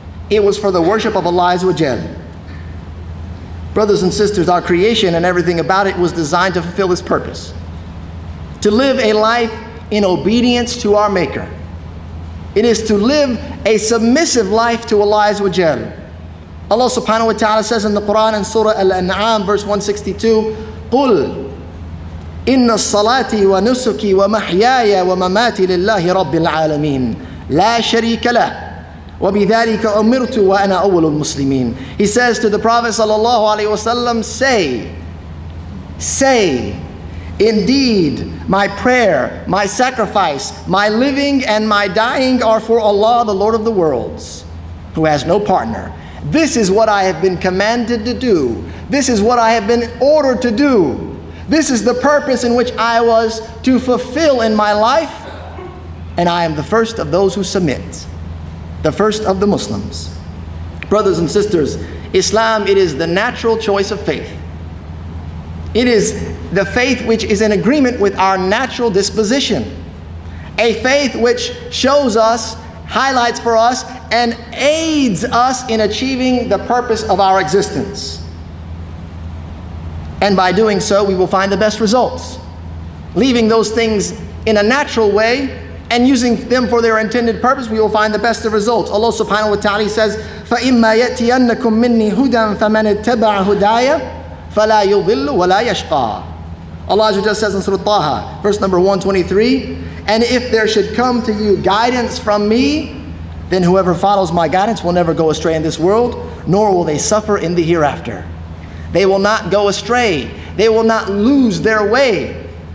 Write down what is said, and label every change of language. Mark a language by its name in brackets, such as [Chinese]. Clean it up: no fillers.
[English] It was for the worship of Allah Azza wa Jal. Brothers and sisters, our creation and everything about it was designed to fulfill this purpose. To live a life in obedience to our Maker. It is to live a submissive life to Allah Azza wa Jal. [Arabic] Allah subhanahu wa ta'ala [English] says in the Quran in Surah Al-An'am, verse 162, [Arabic] قُلْ إِنَّ الصَّلَاتِ وَنُسُكِ وَمَحْيَايَ وَمَمَاتِ لِلَّهِ رَبِّ الْعَالَمِينَ لَا شَرِيكَ لَهُ وَبِذَلِكَ أُمِرْتُ وَأَنَا أَوَّلُ الْمُسْلِمِينَ. [English] He says to the Prophet sallallahu alayhi wa sallam, say, indeed, my prayer, my sacrifice, my living and my dying are for Allah, the Lord of the worlds, who has no partner. This is what I have been commanded to do. This is what I have been ordered to do. This is the purpose in which I was to fulfill in my life. And I am the first of those who submit. The first of the Muslims. Brothers and sisters, Islam, it is the natural choice of faith. It is the faith which is in agreement with our natural disposition. A faith which shows us, highlights for us, and aids us in achieving the purpose of our existence. And by doing so, we will find the best results. Leaving those things in a natural way and using them for their intended purpose, we will find the best of results. [Arabic] Allah subhanahu wa ta'ala [English] says, [Arabic] فَإِمَّا يَأْتِيَنَّكُم مِّنِّي هُدًى فَمَنِ اتَّبَعَ هُدَايَ فَلَا يُضِلُّ وَلَا يَشْقَى. [English] Allah just says in Surah Taha, verse number 123, and if there should come to you guidance from me, then whoever follows my guidance will never go astray in this world, nor will they suffer in the hereafter. They will not go astray. They will not lose their way.